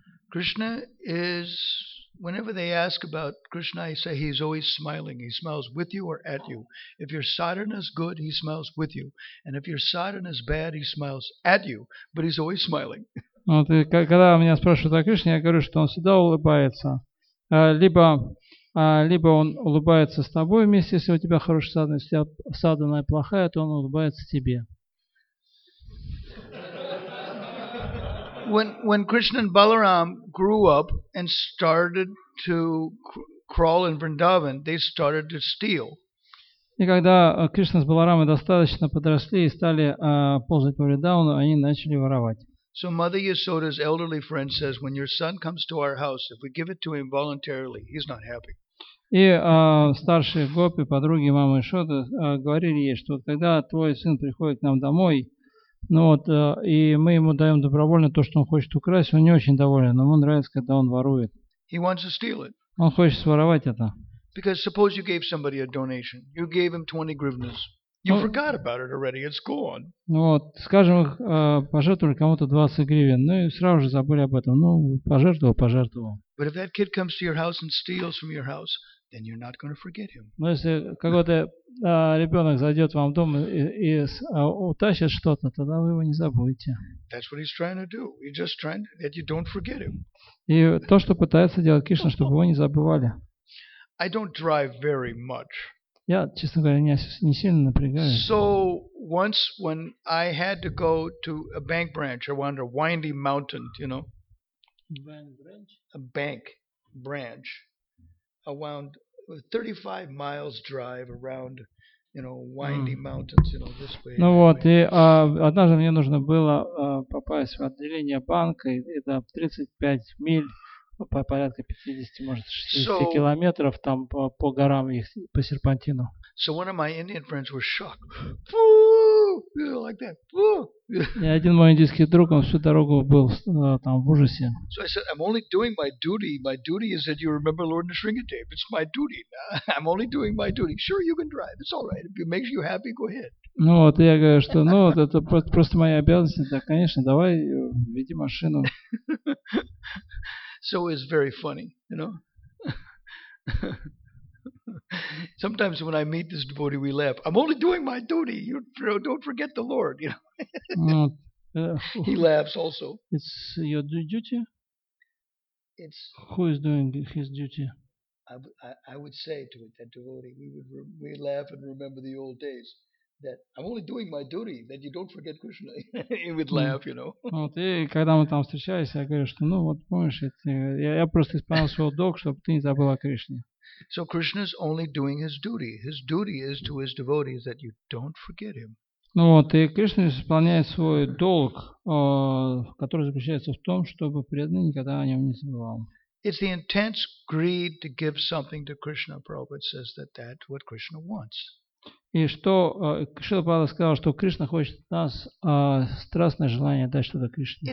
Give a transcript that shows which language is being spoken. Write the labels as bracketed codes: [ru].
[en] Krishna is, whenever they ask about Krishna, I say he's always smiling. He smiles with you or at you. If your sadhana is good, he smiles with you. And if your sadhana is bad, he smiles at you. But he's always smiling. [ru] Вот, и, когда меня спрашивают о Кришне, я говорю, что он всегда улыбается. Либо он улыбается с тобой вместе, если у тебя хорошая сада, если сада плохая, то он улыбается тебе. [en] When Krishna and Balaram grew up and started to crawl in Vrindavan, they started to steal. [ru] И когда Кришна с Баларамой достаточно подросли и стали ползать по Вриндавану, они начали воровать. [en] So Mother Yasoda's elderly friend says, when your son comes to our house, if we give it to him voluntarily, he's not happy. [ru] И старшие гопи, подруги мамы Ясоды говорили ей, что когда твой сын приходит к нам домой, ну вот, и мы ему даем добровольно то, что он хочет украсть, он не очень доволен, но ему нравится, когда он ворует. [en] He wants to steal it. [ru] Он хочет своровать это. [en] Because suppose you gave somebody a donation, you gave him 20 гривнес, you forgot about it already, it's gone. [ru] Ну вот, скажем, пожертвовали кому-то 20 гривен, ну и сразу же забыли об этом, ну, пожертвовал. [en] But if that kid comes to your house and steals from your house, then you're not going to forget him. [ru] Но если какой-то ребенок зайдет вам в дом и утащит что-то, тогда вы его не забудете. [en] That's what he's trying to do. He's just trying to, that you don't forget him. [ru] И то, что пытается делать Кришна, чтобы его не забывали. [en] I don't drive very much. [ru] Я, честно говоря, не сильно напрягаюсь. [en] So once when I had to go to a bank branch, I wonder, Windy Mountain, you know? Bank branch? A bank branch. I wound 35 miles drive around, you know, windy mountains, you know, this way. [ru] Ну вот, и однажды мне нужно было попасть в отделение банка, и это 35 миль, порядка 50, может, 60 километров там по горам их, по серпантину. [en] So one of my Indian friends was shocked. Фу! Like that. Фу! [ru] И один мой индийский друг, он всю дорогу был там в ужасе. [en] So I said, I'm only doing my duty. My duty is that you remember Lord Nisringadev. It's my duty. I'm only doing my duty. Sure, you can drive. It's all right. If it makes you happy, go ahead. [ru] Ну вот, я говорю, что ну вот, это просто моя обязанность. Да, конечно, давай, веди машину. [en] So it's very funny, you know? Sometimes when I meet this devotee, we laugh. I'm only doing my duty. You don't forget the Lord, you know. He laughs also. It's your duty. It's who is doing his duty. I would say to it, that devotee, we laugh and remember the old days. That I'm only doing my duty. That you don't forget Krishna. He would laugh, you know. [ru] Вот и когда мы там встречались, я говорю, что, ну вот помнишь, я просто исполнял свой долг, чтобы ты не забыла Кришне. [en] So Krishna is only doing his duty. His duty is to his devotees that you don't forget him. [ru] Ну вот, и Кришна исполняет свой долг, который заключается в том, чтобы преданный никогда о нем не забывал. [en] It's the intense greed to give something to Krishna. Prabhupada says that's what Krishna wants. [ru] И что Шрила Прабхупада сказал, что Кришна хочет от нас страстное желание дать что-то Кришне.